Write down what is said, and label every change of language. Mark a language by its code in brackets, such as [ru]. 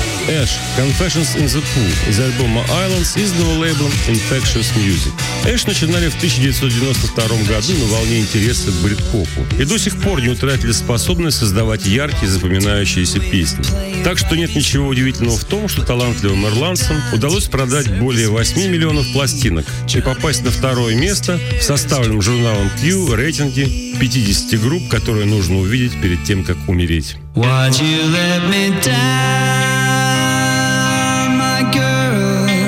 [ru] Эш «Confessions in the Pool» из альбома «Islands» изданного лейблом «Infectious Music». Эш начинали в 1992 году на волне интереса к брит-попу и до сих пор не утратили способность создавать яркие запоминающиеся песни. Так что нет ничего удивительного в том, что талантливым ирландцам удалось продать более 8 миллионов пластинок и попасть на второе место в составленном журналом Q рейтинге 50 групп, которые нужно увидеть перед тем, как умереть. [en] Why'd you let me down, my girl?